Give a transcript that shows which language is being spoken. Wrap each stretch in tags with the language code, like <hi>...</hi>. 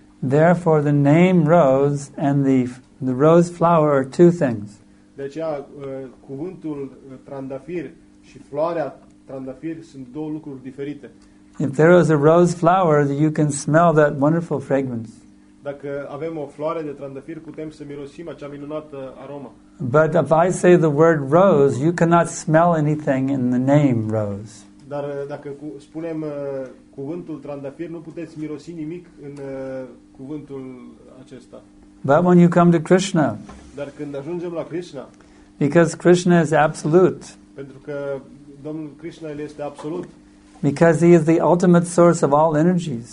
<en>Therefore, the name rose and the rose flower are two things.</en> <ro>De aceea, cuvântul trandafir și floarea trandafir sunt două lucruri diferite.</ro> <en>If there is a rose flower, you can smell that wonderful fragrance.</en> <ro>Dacă avem o floare de trandafir, putem să mirosim acea minunată aromă.</ro> <en>But if I say the word rose, you cannot smell anything in the name rose.</en> <ro>Dar dacă spunem cuvântul trandafir, nu puteți mirosi nimic în cuvântul acesta.</ro> <en>But when you come to Krishna.</en> <ro>Dar când ajungem la Krishna.</ro> <en>Because Krishna is absolute.</en> <ro>Pentru că Domnul Krishna el este absolut.</ro> <en>Because he is the ultimate source of all energies.</en>